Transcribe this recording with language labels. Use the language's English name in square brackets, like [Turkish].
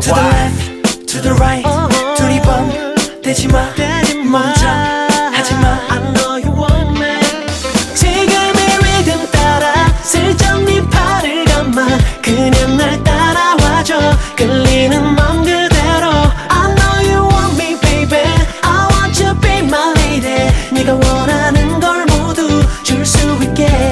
[English] To the left, to the right. [Korean] 둘이 번 되지 마, 멈춰 하지 마. [English] I know you want me. [Korean] 지금의 리듬 따라 슬쩍 네 팔을 감아. 그냥 날 따라와줘, 끌리는 맘 그대로. [English] I know you want me, baby. I want you be my lady. [Korean] 네가 원하는 걸 모두 줄 수 있게.